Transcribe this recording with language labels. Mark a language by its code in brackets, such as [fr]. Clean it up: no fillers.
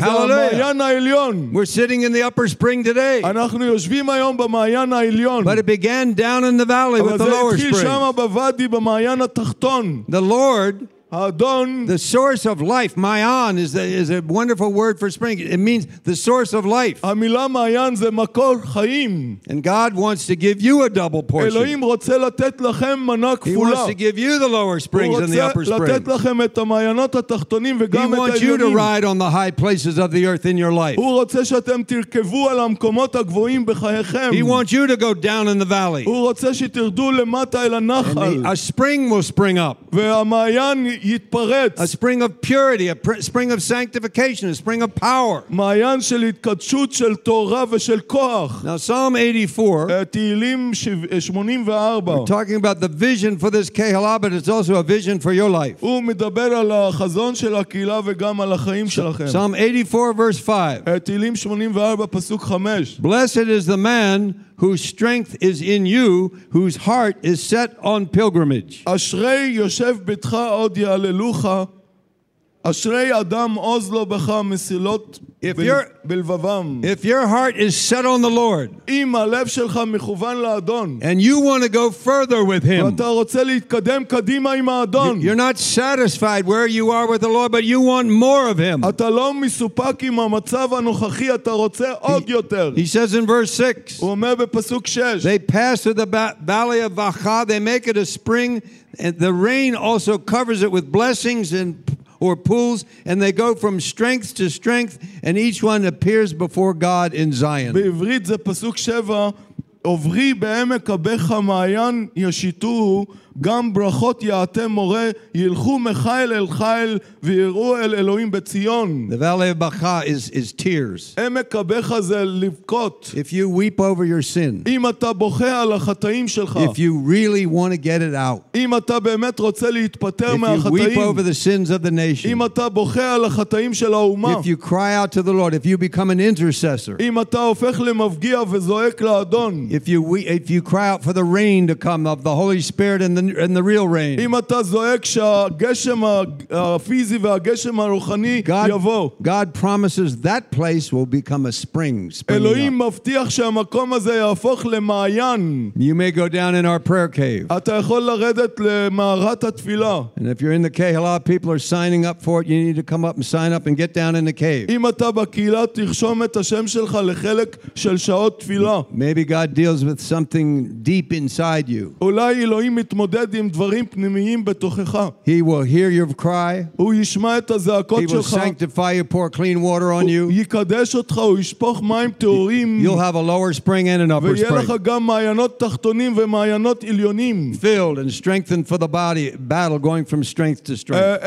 [en] Hallelujah. We're sitting in the upper spring today. But it began down in the valley with the lower spring. The Lord, [he] האדון, [en] the source of life, מעיין, is a wonderful word for spring. It means the source of life. [he] המילה מעיין זה מקור חיים. [en] And God wants to give you a double portion. [he] אלוהים רוצה לתת לכם מנה כפולה. [en] He wants to give you the lower springs and the upper springs. [he] הוא רוצה לתת לכם את המעיינות התחתונים וגם את העליונים. [en] He wants you to ride on the high places of the earth in your life. [he] הוא רוצה שאתם תרכבו על המקומות הגבוהים בחייכם. [en] He wants you to go down in the valley. [he] הוא רוצה שתרדו למטה אל הנחל. [en] And a spring will spring up. [he] והמעיין יתפרץ. [en] A spring of purity, a spring of sanctification, a spring of power. [he] מעיין של התקדשות, של תורה ושל כוח. [en] Now Psalm 84. [he] תהילים 84. [en] We're talking about the vision for this Kehillah, but it's also a vision for your life. [he] הוא מדבר על החזון של הקהילה וגם על החיים שלכם. [en] Psalm 84 verse 5. [he] תהילים 84 פסוק 5. [en] Blessed is the man whose strength is in you, whose heart is set on pilgrimage. [he] אשרי יושב ביתך עוד יעללוך. אשרי אדם עוז לו בך מסילות בלבבם. [en] If your heart is set on the Lord, [he] אם הלב שלך מכוון לאדון, [en] and you want to go further with him, [he] ואתה רוצה להתקדם קדימה עם האדון, [en] you're not satisfied where you are with the Lord, but you want more of him. [he] אתה לא מסופק עם המצב הנוכחי, אתה רוצה עוד יותר. [en] He says in verse 6, [he] הוא אומר בפסוק 6, [en] they pass through the valley of Vacha, they make it a spring, and the rain also covers it with blessings and or pools, and they go from strength to strength, and each one appears before God in Zion. [he] בעברית זה פסוק שבע, עוברי בעמק הבך המעיין ישיתו, גם ברכות יעתם מורה, ילכו מחיל אל חיל, ויראו אל אלוהים בציון. [en] The valley of Bacha is tears. [he] עמק הבך זה לבכות. [en] If you weep over your sin. [he] אם אתה בוכה על החטאים שלך. [en] If you really want to get it out. [he] אם אתה באמת רוצה להתפטר מהחטאים. [en] If you weep over the sins of the nation. [he] אם אתה בוכה על החטאים של האומה. [en] If you cry out to the Lord. If you become an intercessor. [he] אם אתה הופך למפגיע וזועק לאדון. [en] If you cry out for the rain to come of the Holy Spirit and the real rain. [he] אם אתה זועק שהגשם הפיזי והגשם הרוחני יבוא. [en] God promises that place will become a spring. [he] אלוהים מבטיח שהמקום הזה יהפוך למעיין. [en] You may go down in our prayer cave. [he] אתה יכול לרדת למערת התפילה. [en] And if you're in the cave, a lot of people are signing up for it. You need to come up and sign up and get down in the cave. [he] אם אתה בקהילה, תרשום את השם שלך לחלק של שעות תפילה. [en] Maybe God deals with something deep inside you. [he] אולי אלוהים מתמודד עם דברים פנימיים בתוכך. [en] He will hear your cry. [he] הוא ישמע את הזעקות שלך. [en] He will sanctify you, pour clean water on you. [he] הוא יקדש אותך, הוא ישפוך מים טהורים. [en] You'll have a lower spring and an upper spring. [he] ויהיה לך גם מעיינות תחתונים ומעיינות עליונים. [en] Filled and strengthened for the body, battle going from strength to strength.